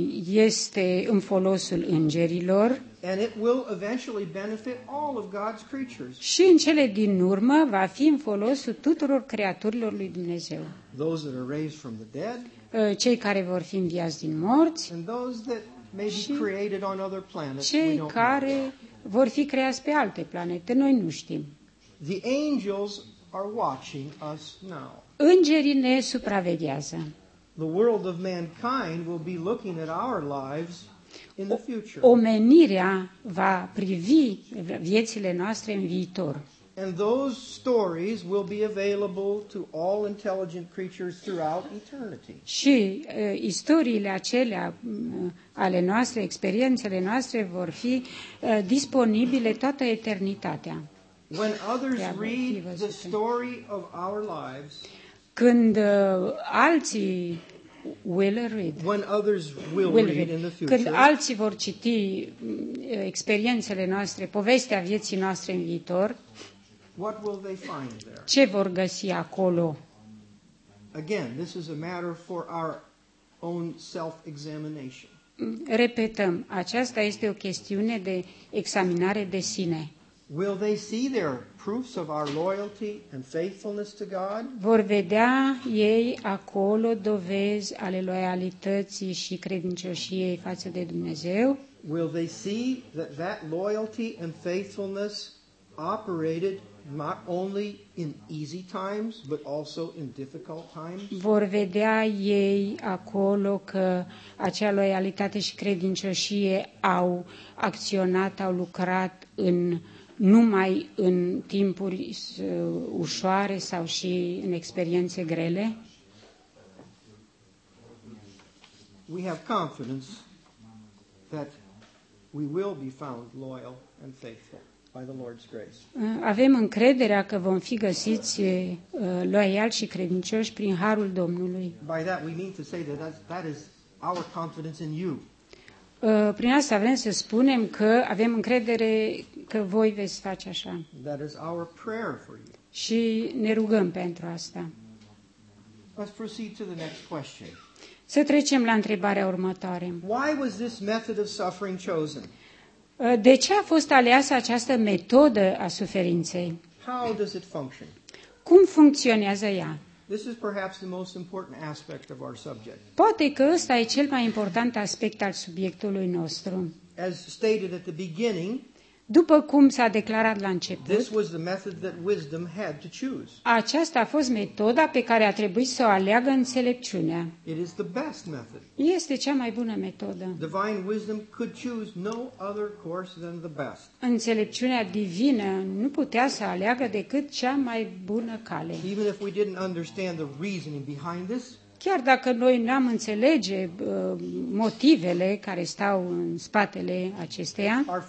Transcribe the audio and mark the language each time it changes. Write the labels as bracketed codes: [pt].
[ro] Este în folosul îngerilor. [en] And it will eventually benefit all of God's creatures. [ro] Și în cele din urmă va fi în folosul tuturor creaturilor lui Dumnezeu. [en] Those that are raised from the dead. [ro] Cei care vor fi înviați din morți. [en] And those that may be created on other planets. [ro] Cei care vor fi creați pe alte planete, noi nu știm. [en] The angels are watching us now. [ro] Îngerii ne supraveghează. [en] The world of mankind will be looking at our lives in the future. [ro] Omenirea va privi viețile noastre în viitor. [en] And those stories will be available to all intelligent creatures throughout eternity. [ro] Și istoriile acelea ale noastre, experiențele noastre vor fi disponibile toată eternitatea. [en] When others read the story of our lives, [ro] când alții [en] will read, when others will read in the future, [ro] când alții vor citi experiențele noastre, povestea vieții noastre în viitor, [en] what will they find there? [ro] Ce vor găsi acolo? [en] Again, this is a matter for our own self-examination. [ro] Repetăm, aceasta este o chestiune de examinare de sine. [en] Will they see their proofs of our loyalty and faithfulness to God? [ro] Vor vedea ei acolo dovezi ale loialității și credincioșiei față de Dumnezeu? [en] Will they see that that loyalty and faithfulness operated not only in easy times but also in difficult times? [ro] Vor vedea ei acolo că acea loialitate și credincioșie au acționat, au lucrat în numai în timpuri ușoare sau și în experiențe grele? [en] We have confidence that we will be found loyal and faithful by the Lord's grace. [ro] Avem încrederea că vom fi găsiți loiali și credincioși prin harul Domnului. [en] By that we mean to say that that is our confidence in you. [ro] Prin asta vrem să spunem că avem încredere că voi veți face așa. [en] That is our prayer for you. [ro] Și ne rugăm pentru asta. [en] Let's proceed to the next question. [ro] Să trecem la întrebarea următoare. [en] Why was this method of suffering chosen? [ro] De ce a fost aleasă această metodă a suferinței? [en] How does it function? [ro] Cum funcționează ea? [en] This is perhaps the most important aspect of our subject. [ro] Poate că ăsta e cel mai important aspect al subiectului nostru. [en] As stated at the beginning, [ro] după cum s-a declarat la început, [en] this was the method that wisdom had to choose. [ro] Aceasta a fost metoda pe care a trebuit să o aleagă înțelepciunea. [en] It is the best method. [ro] Este cea mai bună metodă. [en] Divine wisdom could choose no other course than the best. [ro] Înțelepciunea divină nu putea să aleagă decât cea mai bună cale. [en] Even if we didn't understand the reasoning behind this, [ro] chiar dacă noi n-am înțelege motivele care stau în spatele acesteia,